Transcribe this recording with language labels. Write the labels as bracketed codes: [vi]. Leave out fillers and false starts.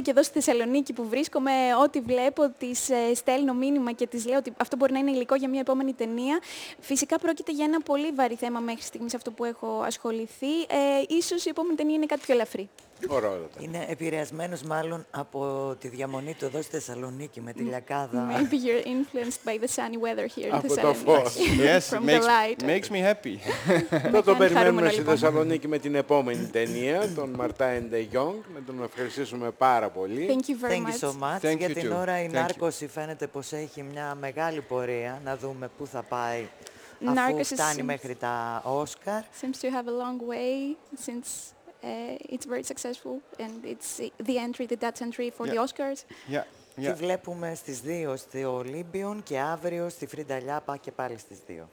[el] Και εδώ στη Θεσσαλονίκη που βρίσκομαι, ό,τι βλέπω, της στέλνω μήνυμα και της λέω ότι αυτό μπορεί να είναι υλικό για μια επόμενη ταινία. Φυσικά πρόκειται για ένα πολύ βαρύ θέμα μέχρι στιγμής αυτό που έχω ασχοληθεί. Ίσως η επόμενη ταινία είναι κάτι πιο ελαφρύ. Είναι επηρεασμένος μάλλον από τη διαμονή του εδώ στη Θεσσαλονίκη με τη λιακάδα. [en] Maybe you're influenced by the sunny weather here in [el] Thessaloniki. Από το φως. [en] Yes, makes me happy. [el] Θα τον περιμένουμε στη Θεσσαλονίκη με την επόμενη ταινία, τον Marta and the Young. Να τον ευχαριστήσουμε πάρα πολύ. [en] Thank you very much. Thank you so much. [el] Για την ώρα η Νάρκωση φαίνεται πως έχει μια μεγάλη πορεία. Να δούμε πού θα πάει αφού φτάνει μέχρι τα Όσκαρ. [en] Seems to have a long way since... it's very successful and it's the entry, the Dutch entry for the Oscars. Yeah. [el] Και βλέπουμε στις 2 στο Ολύμπιον και αύριο στη Φρίντα Λιάπα και πάλι στις 2.